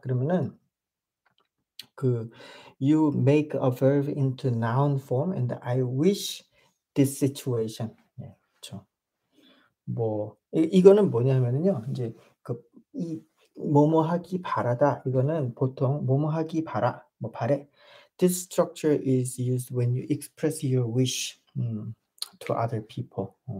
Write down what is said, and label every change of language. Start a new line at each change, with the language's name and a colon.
English: 그러면은 그 you make a verb into noun form and I wish this situation.
Korean: 예, 그렇죠. 뭐 이거는 뭐냐면요, 이제 그이 뭐뭐 하기 바라다. 이거는 보통 뭐뭐 하기 바라, 뭐 바래.
English: This structure is used when you express your wish to other people.